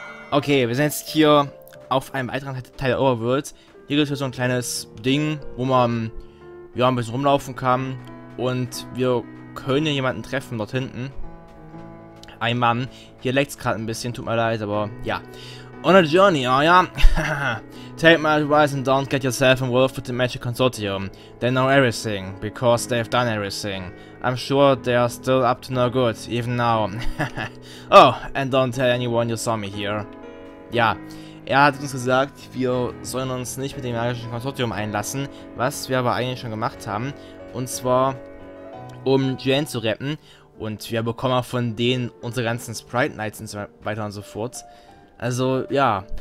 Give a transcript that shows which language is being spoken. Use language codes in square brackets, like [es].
[de] Okay, wir sind jetzt hier auf einem weiteren Teil der Overworld. Hier gibt es so ein kleines Ding, wo man ja ein bisschen rumlaufen kann. Und wir können jemanden treffen dort hinten. Ein Mann. Hier leckt es gerade ein bisschen, tut mir leid, aber ja. [en] On a journey, oh ja. Take my advice and don't get yourself involved with the Magic Consortium. They know everything, because they've done everything. I'm sure they're still up to no good, even now. Oh, and don't tell anyone you saw me here. [de] Ja, er hat uns gesagt, wir sollen uns nicht mit dem Magischen Konsortium einlassen, was wir aber eigentlich schon gemacht haben, und zwar, um Jane zu retten, und wir bekommen auch von denen unsere ganzen Sprite Knights und so weiter und so fort. Also, ja.